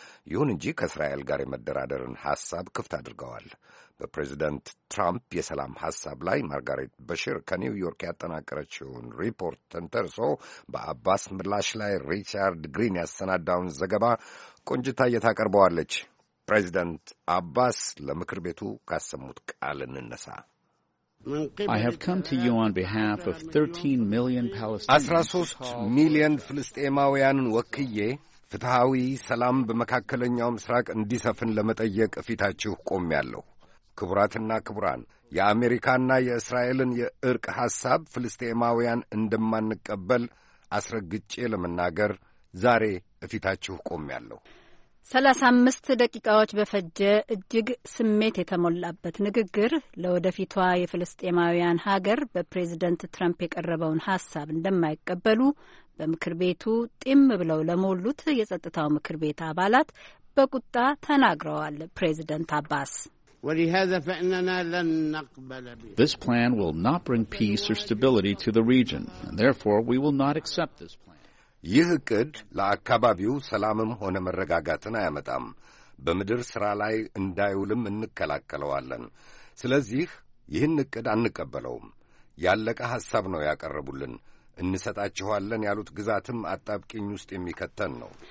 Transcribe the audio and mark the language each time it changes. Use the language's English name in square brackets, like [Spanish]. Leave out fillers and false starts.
[Amharic] ይሁን እንጂ ከእስራኤል ጋር የመደራደርን ሐሳብ ክፍት አድርገዋል። በፕሬዚደንት ትራምፕ የሰላም ሐሳብ ላይ ማርጋሬት በሽር ከኒውዮርክ ያጠናቀረችውን ሪፖርት ተንተርሶ በአባስ ምላሽ ላይ ሪቻርድ ግሪን ያሰናዳውን ዘገባ ቆንጅታየት አቀርበዋለች። ፕሬዚደንት አባስ ለምክር ቤቱ ካሰሙት ቃል እንነሳ። [English] I have come to you on behalf of 13 million Palestinians. [Amharic] 13 million ፍልስጤማውያንን ወክዬ ፍትሃዊ ሰላም በመካከለኛው ምስራቅ እንዲሰፍን ለመጠየቅ ፊታችሁ ቆሜያለሁ። ክቡራትና ክቡራን፣ የአሜሪካና የእስራኤልን የእርቅ ሐሳብ ፍልስጤማውያን እንደማንቀበል አስረግጬ ለመናገር ዛሬ ፊታችሁ ቆሜያለሁ። 35 ደቂቃዎች በፈጀ እጅግ ስሜት የተሞላበት ንግግር ለወደፊቷ የፍልስጤማውያን ሀገር በፕሬዝደንት ትራምፕ የቀረበውን ሐሳብ እንደማይቀበሉ በምክር ቤቱ ጢም ብለው ለሞሉት የጸጥታው ምክር ቤት አባላት በቁጣ ተናግረዋል ፕሬዝደንት አባስ። [Arabic] ولهذا فإننا لن نقبل به. [English] This plan will not bring peace or stability to the region and therefore we will not accept this plan. [Amharic] ይህ ዕቅድ ለአካባቢው ሰላምም ሆነ መረጋጋትን አያመጣም። በምድር ሥራ ላይ እንዳይውልም እንከላከለዋለን። ስለዚህ ይህን ዕቅድ አንቀበለውም። ያለቀ ሐሳብ ነው ያቀረቡልን። እንሰጣችኋለን ያሉት ግዛትም አጣብቂኝ ውስጥ የሚከተን ነው።